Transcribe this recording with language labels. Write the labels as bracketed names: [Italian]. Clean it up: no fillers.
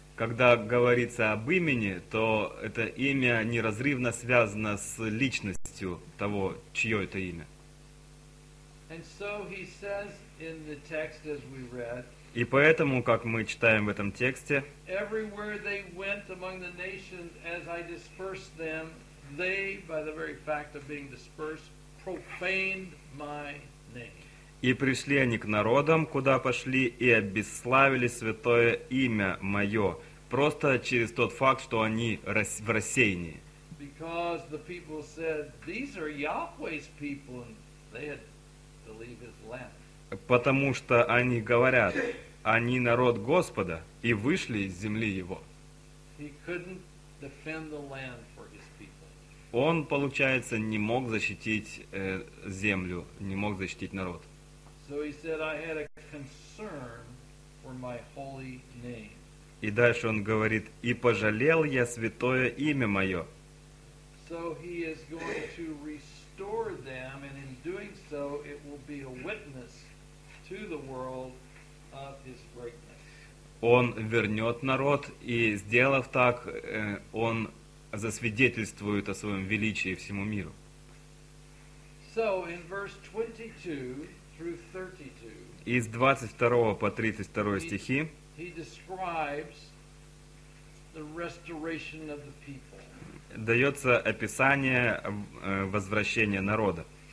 [Russian] Когда говорится об имени, то это имя неразрывно связано с личностью того, чье это имя. [English] And so he says in the text as we read, [Russian] и поэтому, как мы читаем в этом тексте, [English] everywhere they went among the nations as I dispersed them, they, by the very fact of being dispersed, profaned my name. [Russian] И пришли они к народам, куда пошли, и обесславили святое имя мое. Просто через тот факт, что они в рассеянии. [English] Because the people said, these are Yahweh's people, and they had to leave his land. [Russian] Потому что они говорят, они народ Господа, и вышли из земли его. [English] He couldn't defend the land for his people. [Russian] Он, получается, не мог защитить землю, не мог защитить народ. [English] So he said, I had a concern for my holy name. [Russian] И дальше он говорит, и пожалел я святое имя мое. [English] So he is going to restore them, and in doing so, it will be a witness to the world of his greatness. [Russian] Он вернет народ, и сделав так, он засвидетельствует о своем величии всему миру. [English] So in verse 22 through 32. [Russian] Из 22 по 32 стихи. [English] He describes the restoration of the people. [Russian] Дается описание возвращения народа.